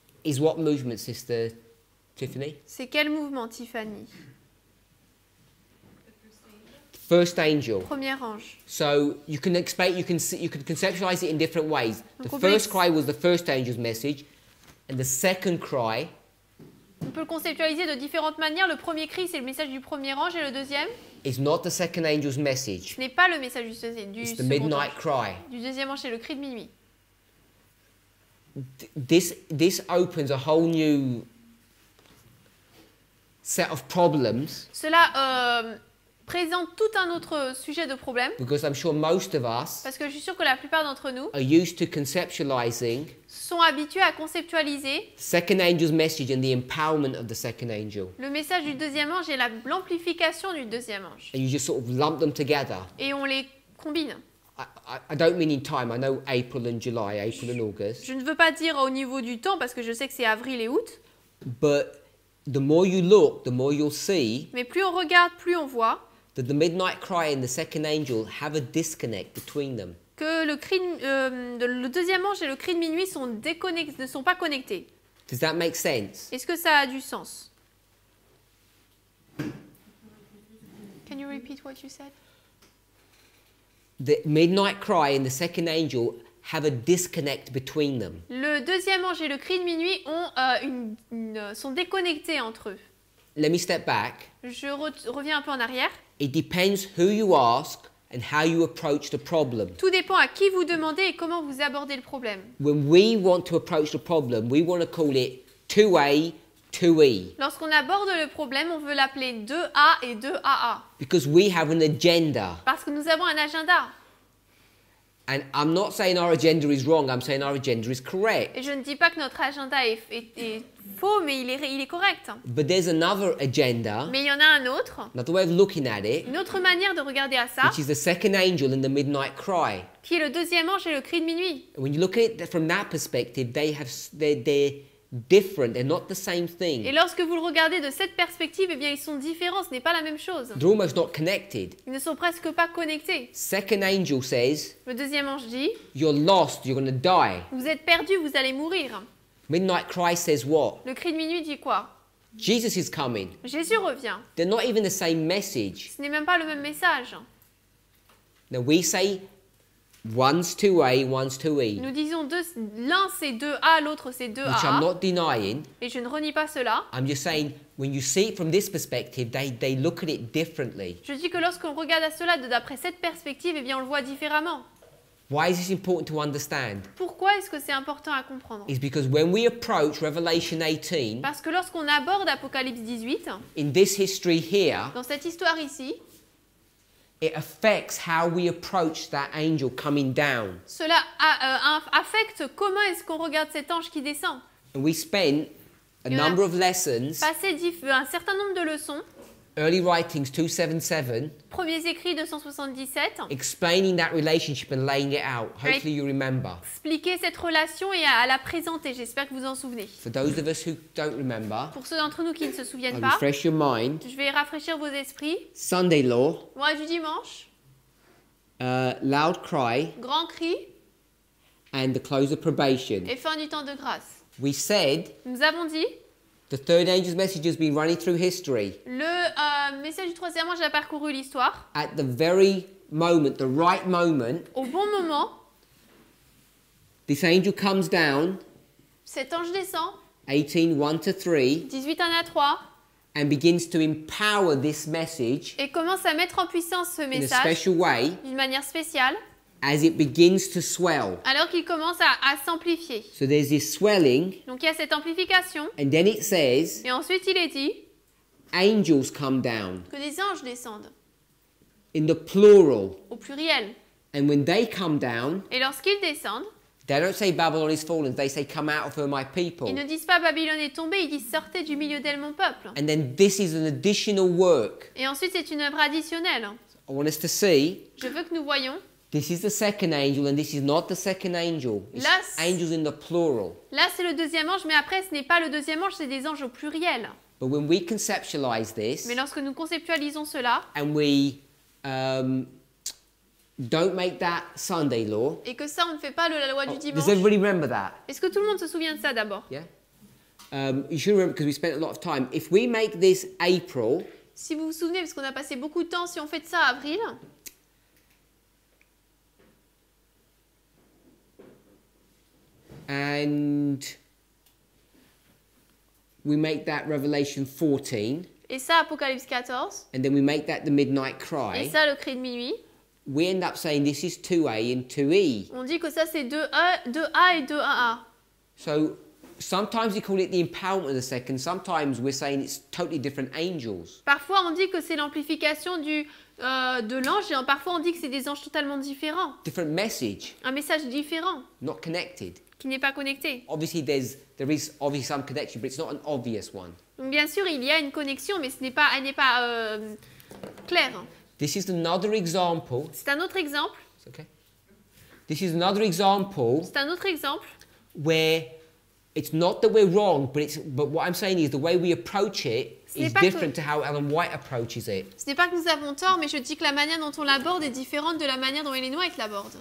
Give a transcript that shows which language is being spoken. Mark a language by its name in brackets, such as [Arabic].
[English] Is what movement, Sister Tiffany? [French] C'est quel mouvement, Tiffany? [English] First angel. [French] Premier ange. [English] So you can expect, you can conceptualize it in different ways. The first cry was the first angel's message, and the second cry. [French] On peut le conceptualiser de différentes manières. Le premier cri, c'est le message du premier ange, et le deuxième. [English] It's not the second angel's message. [French] Ce n'est pas le message du second ange. [English] It's the midnight cry. [French] Du deuxième ange, c'est le cri de minuit. [English] This opens a whole new set of problems. [French] Cela présente tout un autre sujet de problème. [English] Because I'm sure most of us. [French] Parce que je suis sûr que la plupart d'entre nous. [English] Are used to conceptualizing. [French] Sont habitués à conceptualiser. [English] Second angel's message and the empowerment of the second angel. [French] Le message du deuxième ange et l'amplification du deuxième ange. [English] And you just sort of lump them together. [French] Et on les combine. [English] I don't mean in time. I know April and July, April and August. [French] Je ne veux pas dire au niveau du temps parce que je sais que c'est avril et août. [English] But the more you look, the more you'll see. [French] Mais plus on regarde, plus on voit. [English] That the midnight cry and the second angel have a disconnect between them. [French] Que le cri le deuxième ange et le cri de minuit sont déconnectés, ne sont pas connectés. [English] Does that make sense? [French] Est-ce que ça a du sens? [English] Can you repeat what you said? The midnight cry and the second angel have a disconnect between them. [French] Le deuxième ange et le cri de minuit ont sont déconnectés entre eux. [English] Let me step back. [French] Je reviens un peu en arrière. [English] It depends who you ask and how you approach the problem. [French] Tout dépend à qui vous demandez et comment vous abordez le problème. [English] When we want to approach the problem, we want to call it 2A, 2E. [French] Lorsqu'on aborde le problème, on veut l'appeler 2A et 2AA. [English] Because we have an agenda. [French] Parce que nous avons un agenda. [English] And I'm not saying our agenda is wrong, I'm saying our agenda is correct. [French] Et je ne dis pas que notre agenda est faux, mais il est correct. [English] But there's another agenda. [French] Mais il y en a un autre. [English] Another way of looking at it. [French] Une autre manière de regarder à ça. [English] Which is the second angel and the midnight cry. [French] Qui est le deuxième ange et le cri de minuit. [English] When you look at it from that perspective, they're different, they're not the same thing. [French] Et lorsque vous le regardez de cette perspective, eh bien ils sont différents, ce n'est pas la même chose. [English] They're almost not connected. [French] Ils ne sont presque pas connectés. [English] Second angel says. [French] Le deuxième ange dit. [English] You're lost, you're going to die. [French] Vous êtes perdu, vous allez mourir. [English] Midnight cry says what? [French] Le cri de minuit dit quoi? [English] Jesus is coming. [French] Jésus revient. [English] They're not even the same message. [French] Ce n'est même pas le même message. [English] Now we say one's 2A, one's 2E. [French] Nous disons l'un c'est 2A, l'autre c'est 2AA. [English] Which I'm not denying. [French] Et je ne renie pas cela. [English] I'm just saying, when you see it from this perspective, they look at it differently. [French] Je dis que lorsqu'on regarde à cela d'après cette perspective, eh bien on le voit différemment. [English] Why is this important to understand? [French] Pourquoi est-ce que c'est important à comprendre? [English] It's because when we approach Revelation 18. [French] Parce que lorsqu'on aborde Apocalypse 18. [English] In this history here. [French] Dans cette histoire ici. [English] It affects how we approach that angel coming down. [French] Cela affecte comment est-ce qu'on regarde cet ange qui descend. [English] And we spent a number of lessons. [French] Passé un certain nombre de leçons. [English] Early writings 277. [French] Premiers écrits 277. [English] Explaining that relationship and laying it out. Hopefully you remember. [French] Expliquer cette relation et à la présenter. J'espère que vous en souvenez. [English] For those of us who don't remember. [French] Pour ceux d'entre nous qui ne se souviennent pas. [English] Refresh your mind. [French] Je vais rafraîchir vos esprits. [English] Sunday law. [French] Loi du dimanche. [English] Loud cry. [French] Grand cri. [English] And the close of probation. [French] Et fin du temps de grâce. [English] We said. [French] Nous avons dit. [English] The third angel's message has been running through history. [French] Le message du troisième ange a parcouru l'histoire. [English] At the very moment, the right moment. [French] Au bon moment. [English] This angel comes down. [French] Cet ange descend. [English] 18, 1 to 3. [French] 18, 1 à 3. [English] And begins to empower this message. [French] Et commence à mettre en puissance ce message. [English] In a special way. [French] D'une manière spéciale. [English] As it begins to swell. [French] Alors qu'il commence à s'amplifier. [English] So there's this swelling. [French] Donc il y a cette amplification. [English] And then it says. [French] Et ensuite il est dit. [English] Angels come down. [French] Que des anges descendent. [English] In the plural. [French] Au pluriel. [English] And when they come down. [French] Et lorsqu'ils descendent. [English] They don't say Babylon is fallen, they say come out of her my people. [French] Ils ne disent pas Babylone est tombée, ils disent sortez du milieu d'elle mon peuple. [English] And then this is an additional work. [French] Et ensuite c'est une œuvre additionnelle. [English] I want us to see. [French] Je veux que nous voyons. [English] This is the second angel and this is not the second angel. It's angels in the plural. [French] Là c'est le deuxième ange, mais après ce n'est pas le deuxième ange, c'est des anges au pluriel. [English] But when we conceptualize this, [French] mais lorsque nous conceptualisons cela, [English] and we don't make that Sunday law, [French] et que ça on ne fait pas la loi du dimanche. [English] Does everybody remember that? [French] Est-ce que tout le monde se souvient de ça d'abord? [English] Yeah. You should remember because we spent a lot of time. If we make this April, [French] si vous vous souvenez parce qu'on a passé beaucoup de temps, si on fait ça avril. [English] And we make that Revelation 14. [French] Et ça, Apocalypse 14. [English] And then we make that the midnight cry. [French] Et ça, le cri de minuit. [English] We end up saying this is 2A and 2E. [French] On dit que ça, c'est 2A et 2A. [English] So sometimes we call it the empowerment of the second. Sometimes we're saying it's totally different angels. [French] Parfois, on dit que c'est l'amplification du de l'ange, et parfois on dit que c'est des anges totalement différents. [English] Different message. [French] Un message différent. [English] Not connected. [French] Qui n'est pas connecté. [English] Obviously, there is obviously some connection, but it's not an obvious one. [French] Donc, bien sûr, il y a une connexion, mais elle n'est pas claire. [English] This is another example. [French] C'est un autre exemple. [English] It's okay. This is another example. [French] C'est un autre exemple. [English] Where it's not that we're wrong, but what I'm saying is the way we approach it is different to how Ellen White approaches it. [French] Ce n'est pas que nous avons tort, mais je dis que la manière dont on l'aborde est différente de la manière dont Ellen White l'aborde.